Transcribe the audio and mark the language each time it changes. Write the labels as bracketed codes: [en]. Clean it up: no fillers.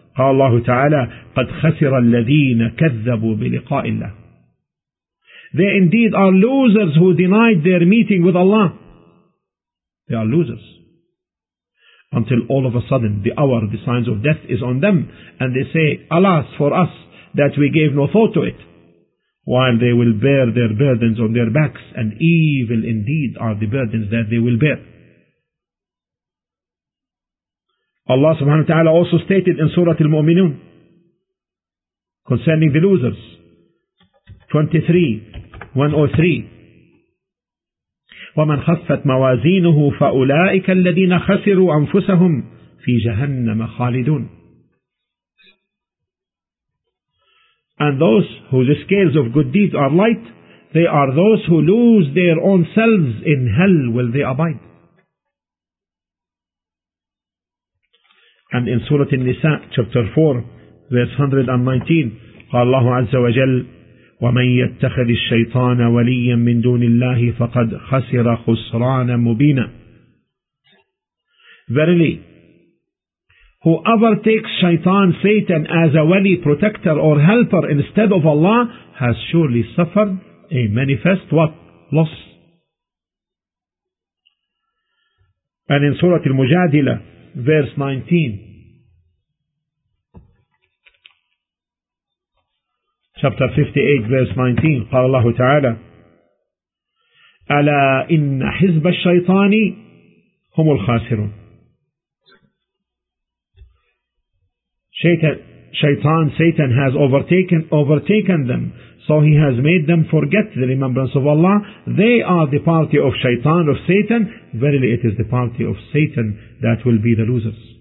[ar] قال الله تعالى قد خسر الذين كذبوا بلقاء الله. [en] They indeed are losers who denied their meeting with Allah. They are losers. Until all of a sudden the hour, the signs of death is on them, and they say, alas for us that we gave no thought to it, while they will bear their burdens on their backs, and evil indeed are the burdens that they will bear. Allah subhanahu wa ta'ala also stated in Surah Al-Mu'minun concerning the losers, 23:103, [ar] وَمَنْ خَفَّتْ مَوَازِينُهُ فَأُولَٰئِكَ الَّذِينَ خَسِرُوا أَنفُسَهُمْ فِي جَهَنَّمَ خَالِدُونَ. [en] And those whose scales of good deeds are light, they are those who lose their own selves in hell will they abide. And in Surah An-Nisa, chapter 4, verse 119, [ar] قال الله عز وجل وَمَنْ يَتَّخَذِ الشَّيْطَانَ وَلِيًّا مِنْ دُونِ اللَّهِ فَقَدْ خَسِرَ خُسْرَانًا مُبِينًا. [en] Verily, whoever takes Shaitan, Satan, as a wali, protector or helper instead of Allah has surely suffered a manifest what? Loss. And in Surah Al-Mujadila, verse 19, chapter 58, verse 19, [ar] قال الله تعالى ألا إن حزب الشيطان هم الخاسرون. [en] Shaitan, Satan has overtaken them, so he has made them forget the remembrance of Allah. They are the party of Shaitan, of Satan. Verily, it is the party of Satan that will be the losers.